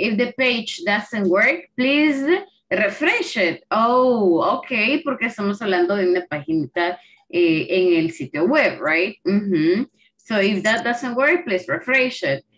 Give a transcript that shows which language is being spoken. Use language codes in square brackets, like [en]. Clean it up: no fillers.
[en] If the page doesn't work, please refresh it. Oh, okay. [es] Porque estamos hablando de una paginita en el sitio web, right? Mm-hmm. [en] So if that doesn't work, please refresh it.